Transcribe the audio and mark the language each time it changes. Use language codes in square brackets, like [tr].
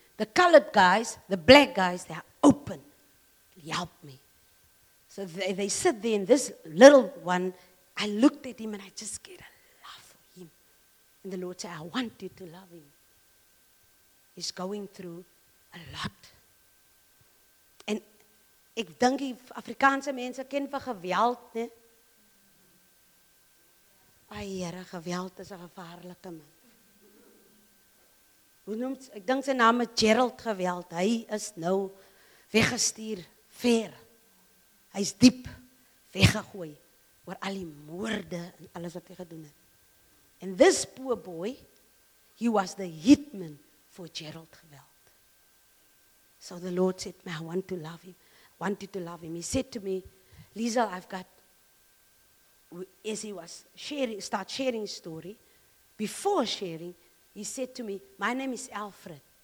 [en] The colored guys, the black guys, they are open. Help me. So they sit there and this little one, I looked at him and I just get a love for him. And the Lord said, I want you to love him. He's going through a lot. [af] And ek dink die Afrikaanse mense ken vir geweld, né? Ai, Here, geweld is 'n gevaarlike man. Hoe noem ek dink sy naam is Gerald Geweld. Hy is nou weggestuur ver. Hy's diep weggegooi oor al die moorde en alles wat hy gedoen het. [en] And this poor boy, he was the hitman for Gerald Geweld. So the Lord said, I want to love him. Wanted to love him. He said to me, Liesel, I've got, as he was sharing, start sharing his story, before sharing, he said to me, my name is Alfred.